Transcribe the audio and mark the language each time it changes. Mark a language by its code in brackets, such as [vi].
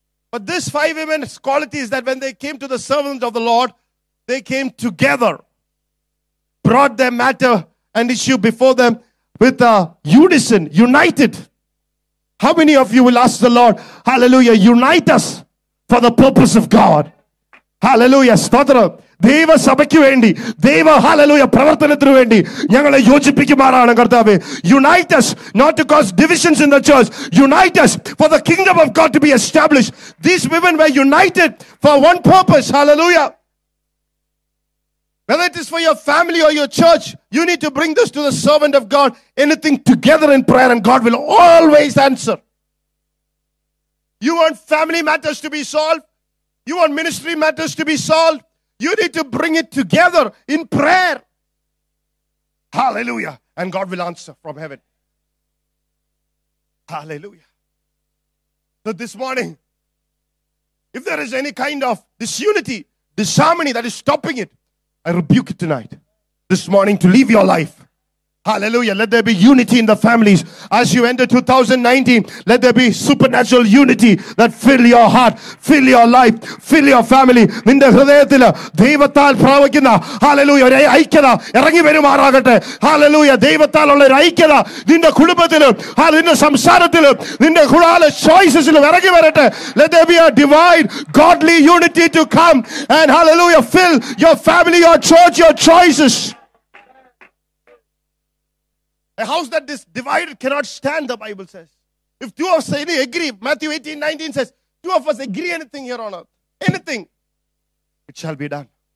[en] But these 5 women's qualities, that when they came to the servant of the Lord, they came together, brought their matter and issue before them. with a unison, united. How many of you will ask the Lord, hallelujah, unite us for the purpose of God? Hallelujah, Stotra. [ml] ദൈവ സഭയ്ക്ക് വേണ്ടി, ദൈവ hallelujah പ്രവർത്തനത്തിന് വേണ്ടി ഞങ്ങളെ യോജിപ്പിക്കുമാറാണ് കർത്താവേ. [en] Unite us, not to cause divisions in the church. Unite us for the kingdom of God to be establish. These women were united for one purpose. [ml] Hallelujah. [en] Whether it is for your family or your church, you need to bring this to the servant of God. Anything together in prayer and God will always answer. You want family matters to be solved? You want ministry matters to be solved? You need to bring it together in prayer. Hallelujah. And God will answer from heaven. Hallelujah. So this morning, if there is any kind of disunity, disharmony that is stopping it, I rebuke it tonight, this morning, to leave your life. Hallelujah. Let there be unity in the families. As you enter 2019, let there be supernatural unity that fill your heart, fill your life, fill your family. [ml] നിന്റെ ഹൃദയത്തില് ദൈവത്താൽ പ്രവഹിക്കുന്ന hallelujah ഒരു ഐക്യത ഇറങ്ങി വരുമാറാകട്ടെ. Hallelujah ദൈവത്താലുള്ള ഒരു ഐക്യത നിന്റെ കുടുംബത്തിലും, നിന്റെ സംസാരത്തിലും, നിന്റെ കുടാല ചോയ്സസിലും ഇറങ്ങി വരട്ടെ. [en] Let there be a divine godly unity to come and hallelujah fill your family, your church, your choices. A house that is divided cannot stand, the Bible says. If two of us agree, Matthew 18, 19 says, two of us agree anything here on earth, anything, it shall be done.